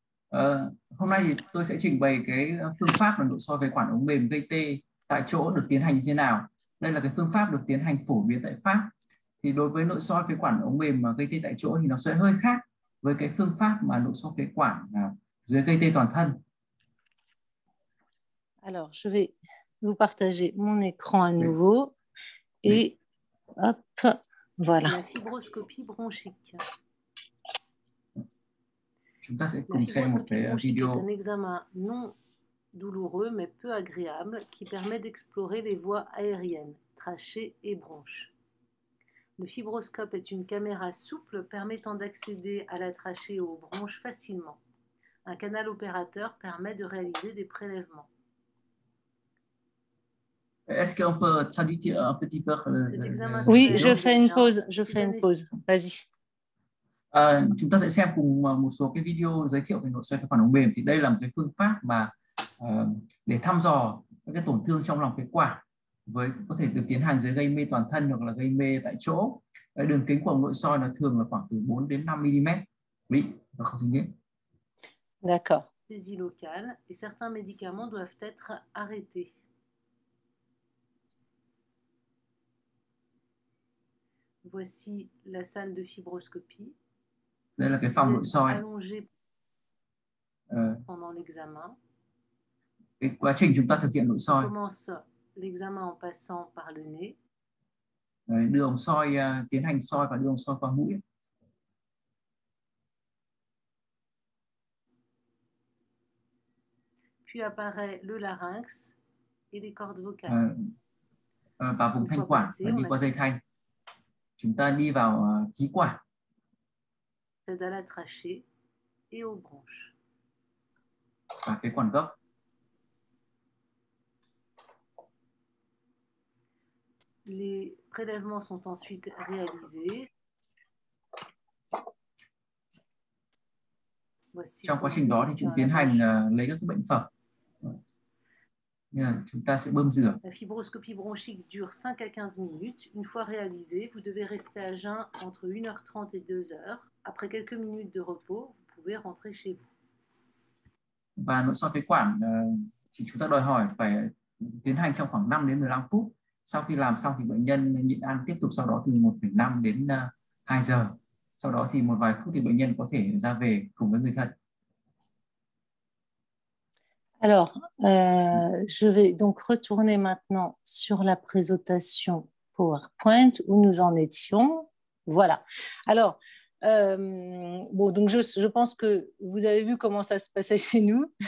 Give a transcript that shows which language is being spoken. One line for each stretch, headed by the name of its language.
Vietnamese: Hôm nay thì tôi sẽ trình bày cái phương pháp là nội soi phế quản ống mềm gây tê tại chỗ được tiến hành như thế nào. Đây là cái phương pháp được tiến hành phổ biến tại Pháp. Thì đối với nội soi phế quản ống mềm mà gây tê tại chỗ thì nó sẽ hơi khác với cái phương pháp mà nội soi phế quản dưới gây tê toàn thân.
French: Alors, je vais vous partager mon écran à nouveau. Et hop, voilà. La fibroscopie bronchique.
Vietnamese: Chúng ta sẽ cùng xem một cái video.
French: C'est un examen non douloureux mais peu agréable qui permet d'explorer les voies aériennes, trachées et bronches. Le fibroscope est une caméra souple permettant d'accéder à la trachée et aux bronches facilement. Un canal opérateur permet de réaliser des prélèvements. Est-ce qu'on peut traduire un petit peu Oui, je fais une pause. Je fais une pause. Vas-y.
Vietnamese: Chúng ta sẽ xem cùng một số cái video giới thiệu về nội soi phế quản ống mềm. Thì đây là một cái phương pháp mà để thăm dò các cái tổn thương trong lòng phế quản với có thể được tiến hành dưới gây mê toàn thân hoặc là gây mê tại chỗ. Đường kính của nội soi nó thường là khoảng từ 4 đến 5 mm. Oui, nó không tính nhé.
French: D'accord. Saisie locale et certains médicaments doivent être arrêtés. Voici la salle de fibroscopie.
Vietnamese: Đây là cái phòng nội soi.
French: Allongé pendant l'examen.
Vietnamese: Cái quá trình chúng ta thực hiện nội soi.
French: Commence l'examen en passant par le nez.
Vietnamese: Đưa ống soi tiến hành soi và đưa ống soi qua mũi.
French: Puis apparaît le larynx et les cordes vocales.
Vietnamese: Vào vùng thanh quản và đi qua dây thanh. Chúng ta đi vào khí quản.
French: C'est à la trachée et aux bronches.
Vietnamese: À cái quản gốc.
French: Les prélèvements sont ensuite réalisés. Voici
Vietnamese: trong quá trình đó thì chúng tiến hành lấy các bệnh phẩm. Chúng ta sẽ bơm rửa.
French: La fibroscopie bronchique dure 5 à 15 minutes. Une fois réalisée, vous devez rester à jeun entre 1h30 et 2h. Après quelques minutes de repos, vous pouvez rentrer chez vous.
Vietnamese: Và nội soi phế quản thì chúng ta đòi hỏi phải tiến hành trong khoảng 5 đến 15 phút. Sau khi làm xong thì bệnh nhân nhịn ăn tiếp tục sau đó từ 1,5 đến 2 giờ. Sau đó thì một vài phút thì bệnh nhân có thể ra về cùng với người thân.
French: Alors, je vais donc retourner maintenant sur la présentation PowerPoint où nous en étions. Voilà. Alors, bon, donc je pense que vous avez vu comment ça se passait chez nous.